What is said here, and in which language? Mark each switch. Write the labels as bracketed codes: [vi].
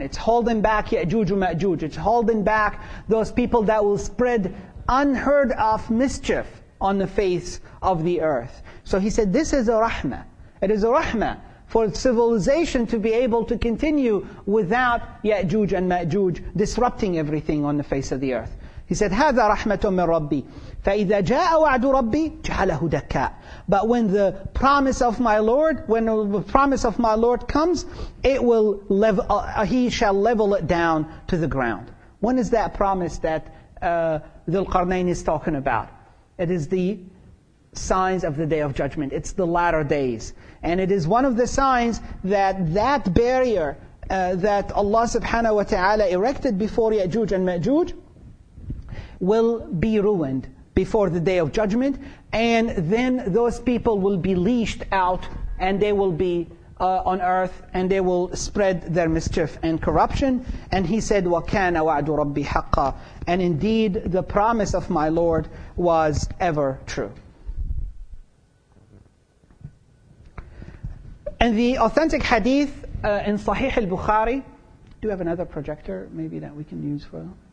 [en] It's holding back يَأْجُوجُ مَأْجُوجُ. It's holding back those people that will spread unheard of mischief on the face of the earth. So he said, this is a rahmah. It is a rahmah for civilization to be able to continue without Ya'juj and Ma'juj disrupting everything on the face of the earth. He said, [ar] هَذَا رَحْمَةٌ مِّن رَبِّي فَإِذَا جَاءَ وَعْدُ رَبِّي جَعَلَهُ دَكَّاءَ. [en] But when the promise of my Lord, when the promise of my Lord comes, it will level, He shall level it down to the ground. When is that promise that Dhul-Qarnayn is talking about? It is the signs of the Day of Judgment. It's the latter days. And it is one of the signs that barrier that Allah subhanahu wa ta'ala erected before Ya'juj and Ma'juj will be ruined before the Day of Judgment. And then those people will be leashed out, and they will be on earth, and they will spread their mischief and corruption. And he said, [ar] وَكَانَ وَعْدُ رَبِّي حَقًّا. [en] And indeed, the promise of my Lord was ever true. And the authentic hadith in Sahih al-Bukhari, do we have another projector maybe that we can use for?